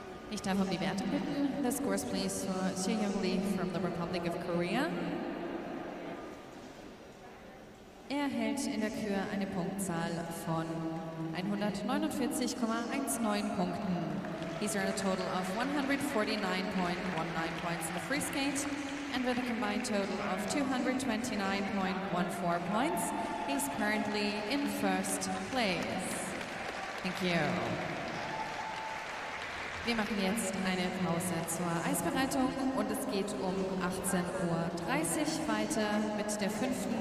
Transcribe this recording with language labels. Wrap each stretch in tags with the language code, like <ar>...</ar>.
<en>The scores, please, for Sihyeong LEE from the Republic of Korea.</en> <de>Hält in der Kür eine Punktzahl von 149,19 Punkten.</de> <en>These are a total of 149.19 points in the free skate, and with a combined total of 229.14 points, he's currently in first place. Thank you.</en> <de>Wir machen jetzt eine Pause zur Eisbereitung und es geht um 18:30 Uhr weiter mit der fünften</de>